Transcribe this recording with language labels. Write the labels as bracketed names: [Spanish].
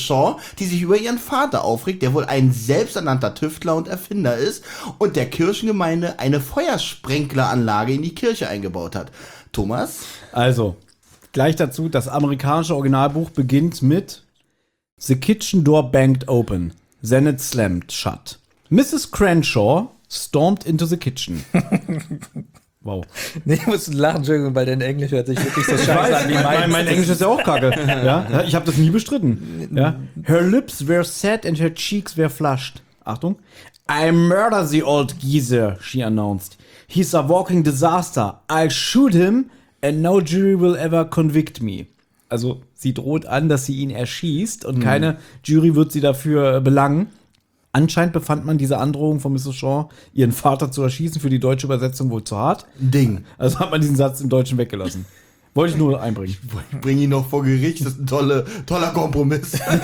[German] Shaw, die sich über ihren Vater aufregt, der wohl ein selbsternannter Tüftler und Erfinder ist und der Kirchengemeinde eine Feuersprenkleranlage in die Kirche eingebaut hat. Thomas? Also, gleich dazu, das amerikanische Originalbuch beginnt mit [English] The kitchen door banged open. Then it slammed shut. Mrs. Crenshaw stormed into the kitchen. Wow. [German] Nee, ich muss lachen, Entschuldigung, weil dein Englisch hört sich wirklich so scheiße an wie mein Englisch ist ja auch kacke. Ja? Ich habe das nie bestritten. Ja? [English] Her lips were set and her cheeks were flushed. [German] Achtung. [English] I murder the old geezer, she announced. He's a walking disaster. I'll shoot him and no jury will ever convict me. [German] Also, sie droht an, dass sie ihn erschießt und keine Jury wird sie dafür belangen. Anscheinend befand man diese Androhung von Mrs. Shaw, ihren Vater zu erschießen, für die deutsche Übersetzung wohl zu hart. Ding. Also hat man diesen Satz im Deutschen weggelassen. Wollte ich nur einbringen. Ich bringe ihn noch vor Gericht, das ist ein toller Kompromiss.